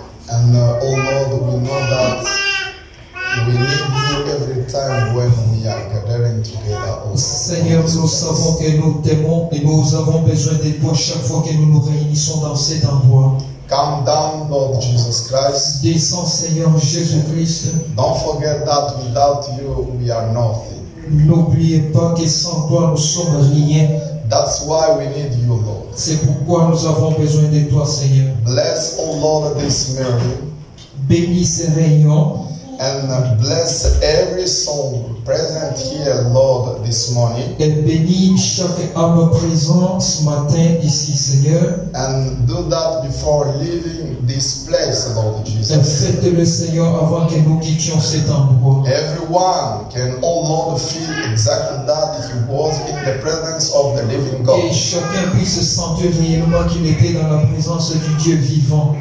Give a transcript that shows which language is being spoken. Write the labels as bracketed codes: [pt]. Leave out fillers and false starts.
[en] And O Lord, we know that we need you every time when we are gathering together. [fr] Seigneur, nous savons que nous t'aimons et nous avons besoin de toi chaque fois que nous nous réunissons dans cet endroit. [en] Come down, Lord Jesus Christ. [fr] Descends, Seigneur Jésus Christ. [en] Don't forget that without you, we are nothing. [fr] N'oubliez pas que sans toi nous sommes rien. [en] That's why we need you, Lord. [fr] C'est pourquoi nous avons besoin de toi, Seigneur. [en] Bless, O Lord, this meeting. [fr] Bénis ce réunion. [en] And bless every soul present here, Lord, this morning. [fr] Et bénis chaque âme présente ce matin ici, Seigneur. [en] And do that before leaving this place, Lord Jesus. [fr] Et faites-le, Seigneur, avant que nous quittions cet endroit. [en] Everyone can, oh Lord, feel exactly that if he was in the presence of the living God. [fr] Et chacun puisse sentir réellement qu'il était dans la présence du Dieu vivant.